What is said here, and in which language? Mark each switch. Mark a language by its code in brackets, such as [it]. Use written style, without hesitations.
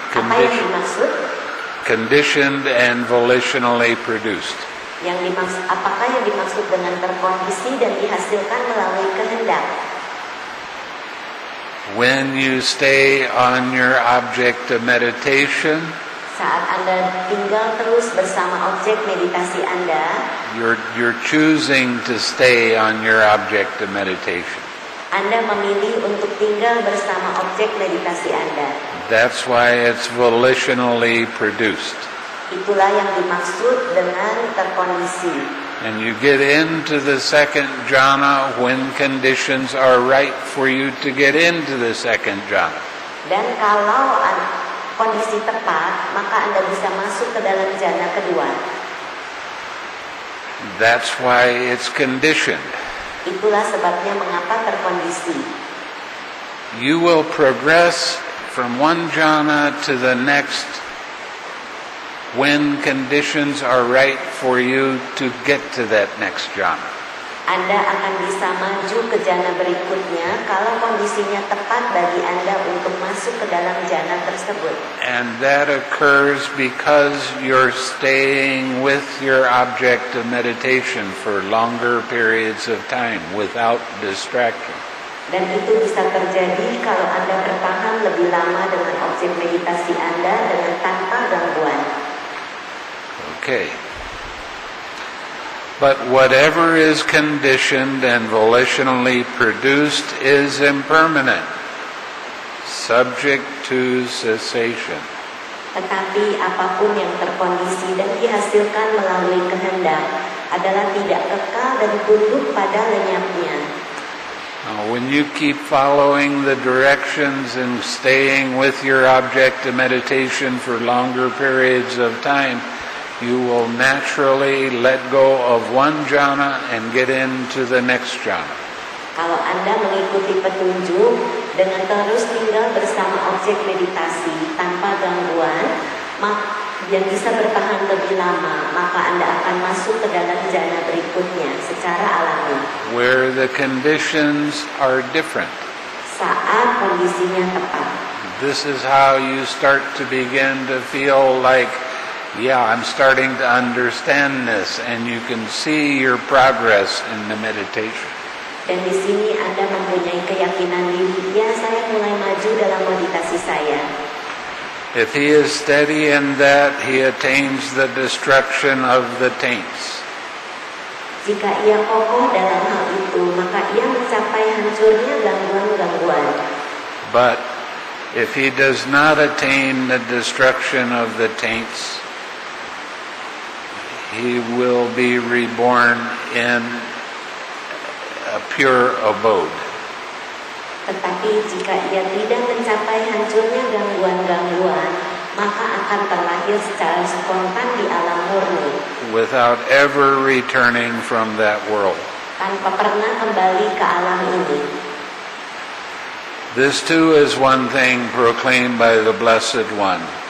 [id] Conditioned. Apa yang dimaksud? [en] Conditioned and volitionally produced. [id] Yang dimaksud, apakah yang dimaksud dengan terkondisi dan dihasilkan melalui kehendak? [en] When you stay on your object of meditation, [id] saat Anda tinggal terus bersama objek meditasi Anda, [en] you're choosing to stay on your object of meditation. [id] Anda memilih untuk tinggal bersama objek meditasi Anda. [en] That's why it's volitionally produced. [id] Itulah yang dimaksud dengan terkondisi. [en] And you get into the second jhana when conditions are right for you to get into the second jhana. [id] Dan kalau kondisi tepat, maka Anda bisa masuk ke dalam jhana kedua. [en] That's why it's conditioned. [id] Itulah sebabnya mengapa terkondisi. [en] You will progress from one jhana to the next when conditions are right for you to get to that next jhana. [id] Anda akan bisa maju ke jhana berikutnya kalau kondisinya tepat bagi Anda untuk masuk ke dalam jhana tersebut. [en] And that occurs because you're staying with your object of meditation for longer periods of time without distraction. [id] Dan itu bisa terjadi kalau Anda bertahan lebih lama dengan objek meditasi Anda dengan tanpa gangguan. [en] Okay. But whatever is conditioned and volitionally produced is impermanent, subject to cessation. [id] Tetapi apapun yang terkondisi dan dihasilkan melalui kehendak adalah tidak kekal dan tunduk pada lenyapnya. [en] Now, when you keep following the directions and staying with your object of meditation for longer periods of time, you will naturally let go of one jhana and get into the next jhana. [id] Kalau Anda mengikuti petunjuk dengan terus tinggal bersama objek meditasi tanpa gangguan, yang bisa bertahan lebih lama, maka Anda akan masuk ke dalam jhana berikutnya secara alami. [en] Where the conditions are different. [id] Saat kondisinya tepat. [en] This is how you start to begin to feel like, yeah, I'm starting to understand this, and you can see your progress in the meditation. [id] Dan di sini Anda mempunyai keyakinan diri, ya, saya mulai maju dalam meditasi saya. [en] If he is steady in that, he attains the destruction of the taints. [id] Jika ia kokoh dalam hal itu, maka ia mencapai hancurnya gangguan-gangguan. [en] But if he does not attain the destruction of the taints, he will be reborn in a pure abode. [id] Tetapi jika ia tidak mencapai hancurnya gangguan-gangguan, maka akan terlahir secara spontan di alam murni. [en] Without ever returning from that world. [id] Tanpa pernah kembali ke alam ini. [en] This too is one thing proclaimed by the Blessed One.